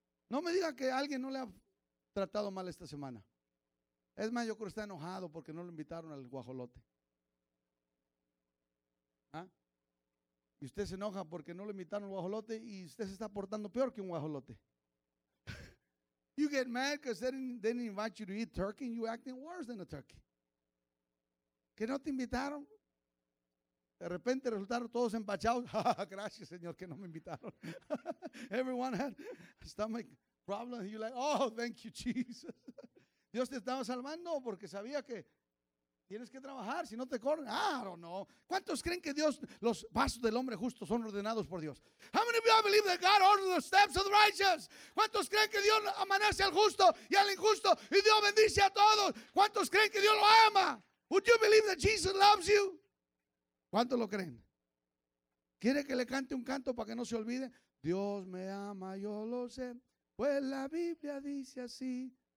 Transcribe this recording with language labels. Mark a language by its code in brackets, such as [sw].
[es] No me diga que alguien no le ha tratado mal esta semana. Es más, yo creo que está enojado porque no lo invitaron al guajolote. ¿Ah? Y usted se enoja porque no lo invitaron al guajolote y usted se está portando peor que un guajolote. [en] You get mad because they didn't invite you to eat turkey and you're acting worse than a turkey. [es] ¿Que no te invitaron? De repente resultaron todos empachados. Gracias, Señor, que no me invitaron. [en] Everyone had stomach problems. You're like, oh, thank you, Jesus. [es] Dios te estaba salvando porque sabía que tienes que trabajar, si no te corren. [en] Ah, I don't know. [es] ¿Cuántos creen que Dios, los pasos del hombre justo son ordenados por Dios? [en] How many of you believe that God orders the steps of the righteous? [es] ¿Cuántos creen que Dios amanece al justo y al injusto y Dios bendice a todos? ¿Cuántos creen que Dios lo ama? [en] Would you believe that Jesus loves you? [es] ¿Cuántos lo creen? ¿Quiere que le cante un canto para que no se olvide? Dios me ama, yo lo sé, pues la Biblia dice así.